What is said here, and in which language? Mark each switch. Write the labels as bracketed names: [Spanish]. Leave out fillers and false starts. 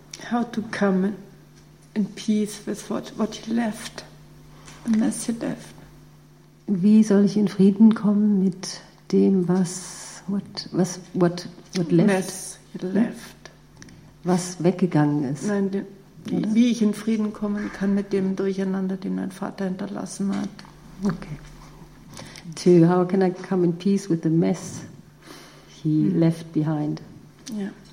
[English] How to come in peace with what you left, the mess you left. [German] Wie soll ich in Frieden kommen mit dem, was [English] was left. Mess, left. [German] Was weggegangen ist. Nein, wie ich in Frieden kommen kann mit dem Durcheinander, den mein Vater hinterlassen hat. [English] Okay. To how can I come in peace with the mess he left behind? Yeah.